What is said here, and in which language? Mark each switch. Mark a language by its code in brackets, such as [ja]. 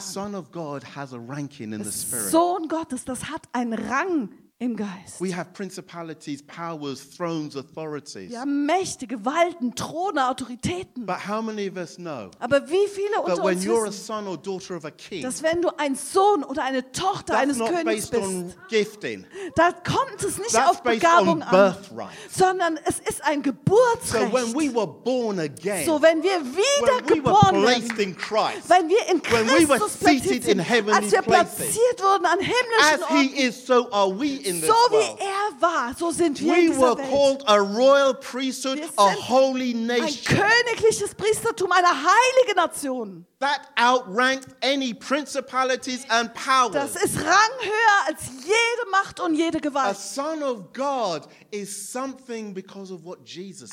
[en] The Son of God has a ranking in the spirit. [de] Sohn Gottes, das hat einen Rang im Geist. [en] We have principalities, powers, thrones, authorities. [de] Wir haben Mächte, Gewalten, Throne, Autoritäten. [en] But how many of us know? [de] Aber wie viele unter [en] that when [de] uns [en] you're [de] wissen, [en] a son or daughter of a king, [de] dass wenn du ein Sohn oder eine Tochter eines [en] not [de] Königs [en] based [de] bist, [en] on gifting. [de] Da kommt es nicht [en] that's [de] auf Begabung [en] on birthright. [de] An, sondern es ist ein Geburtsrecht. [en] So, when we were born again, [de] so wenn wir wiedergeboren [en] we [de] werden, wenn wir in Christus [en] we were seated [de] sind, [en] in heavenly [de] als wir platziert [en] places, [de] wurden an himmlischen [en] as [de] Orten, [en] he is, so are we. [de] So wie er war, so sind wir [en] we [de] in dieser [en] were [de] Welt. [en] Called a royal priesthood, a holy nation. [de] Ein königliches Priestertum, eine heilige Nation. [en] That outranked any principalities and powers. [de] Das ist Rang höher als jede Macht und jede Gewalt. [en] A son of God is something because of what Jesus